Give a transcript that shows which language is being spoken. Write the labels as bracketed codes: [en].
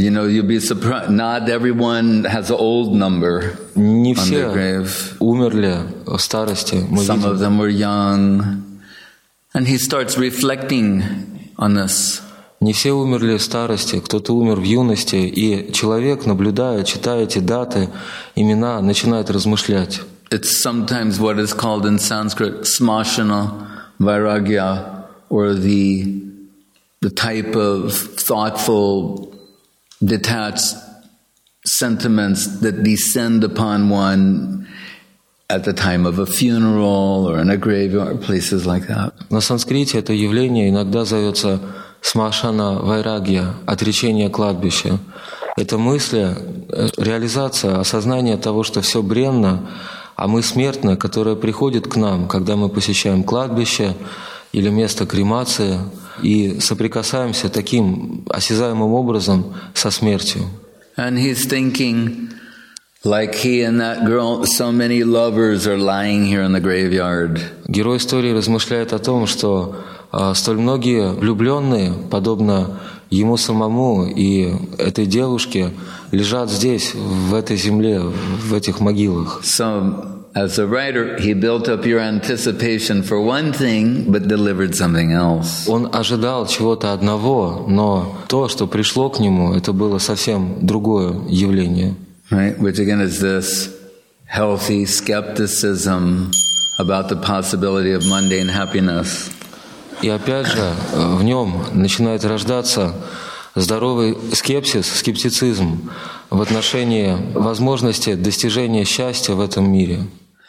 [en] You know, you'd be surprised. Not everyone has an old number. [ru] Не все умерли в старости. [en] Some of them were young, and he starts reflecting on this. [ru] Не все умерли в старости. Кто-то умер в юности, и человек, наблюдая, читая эти даты, имена, начинает размышлять. [en] It's sometimes what is called in Sanskrit smashana vairagya, or the type of thoughtful, detached sentiments that descend upon one at the time of a funeral or in a graveyard, places like that. [ru] На санскрите это явление иногда зовется смашана вайрагья, отречение кладбища. Это мысли, реализация, осознание того, что все бренно, а мы смертны, которое приходит к нам, когда мы посещаем кладбище или место кремации, и соприкасаемся таким осязаемым образом со смертью. [en] And he's thinking, like he and that girl, so many lovers are lying here in the graveyard. [ru] Герой истории размышляет о том, что столь многие влюбленные, подобно ему самому и этой девушке, лежат здесь, в этой земле, в этих могилах. [en] So, as a writer, he built up your anticipation for one thing, but delivered something else. [ru] Он ожидал чего-то одного, но то, что пришло к нему, это было совсем другое явление. [en] Right? Which again is this healthy skepticism about the possibility of mundane happiness. [ru] И опять же, в нем начинает рождаться здоровый скепсис, скептицизм в отношении возможности достижения счастья в этом мире.